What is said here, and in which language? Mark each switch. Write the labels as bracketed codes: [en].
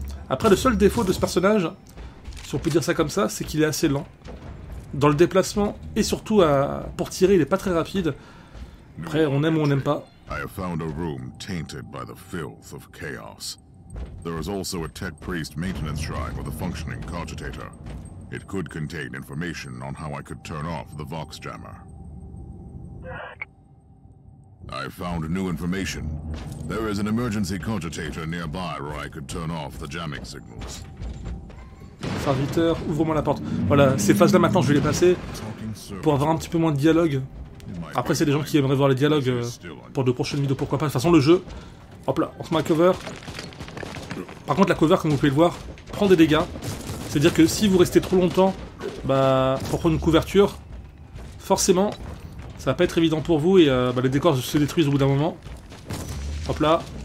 [fr] Après, le seul défaut de ce personnage, si on peut dire ça comme ça, c'est qu'il est assez lent. Dans le déplacement, et surtout pour tirer, il est pas très rapide. Après, on aime ou on n'aime pas. J'ai trouvé une chambre teintée par le filth du chaos. Il y a aussi un tech priest maintenance shrine avec un fonctionnant cogitateur. [en] It could contain information on how I could turn off the Vox jammer. I found new information. There is an emergency cogitator nearby where I could turn off the jamming signals. [fr] Serviteur, ouvre-moi la porte. Voilà, ces phases-là maintenant, je vais les passer pour avoir un petit peu moins de dialogue. Après, c'est des gens qui aimeraient voir les dialogues pour de prochaines vidéos, pourquoi pas. De toute façon, le jeu. Hop là, on se met à cover. Par contre, la cover, comme vous pouvez le voir, prend des dégâts. C'est-à-dire que si vous restez trop longtemps pour prendre une couverture, forcément, ça va pas être évident pour vous et les décors se détruisent au bout d'un moment. Hop là.